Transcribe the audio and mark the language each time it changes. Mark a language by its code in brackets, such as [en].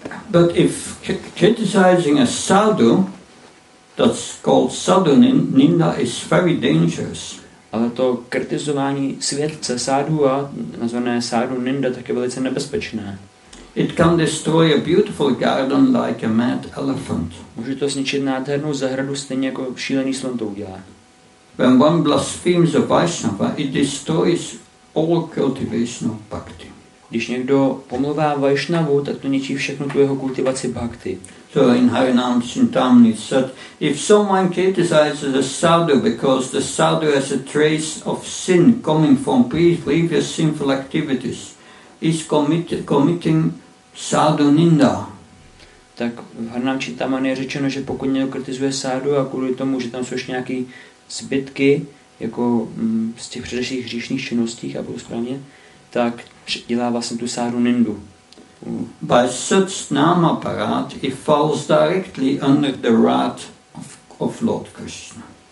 [en] But if criticizing a sadhu, that's called sadhu ninda, is very dangerous. [cs] Ale to kritizování světce sadhu a nazvané sadhu ninda tak je velice nebezpečné. [en] It can destroy a beautiful garden like a mad elephant. [cs] Může to zničit nádhernou zahradu stejně jako šílený slon to udělá. [en] When one blasphemes a Vaishnava, it destroys all cultivation of bhakti. [cs] Když někdo pomluvá Vaishnavu, tak to ničí všechno tu jeho kultivaci bhakti. [en] So in Harinam Chintamani said, if someone criticizes a sadhu because the sadhu has a trace of sin coming from previous sinful activities, is committing sadhu ninda. [cs] Tak v Harinam Chintamani je řečeno, že pokud někdo kritizuje sadhu a kvůli tomu, že tam jsou ještě nějaké zbytky jako z těch předešlých hříšných činností, a budu správně, tak dělá vlastně tu sadhu nindu. [en] By such nama parat, it falls directly under the wrath of Lord Krishna.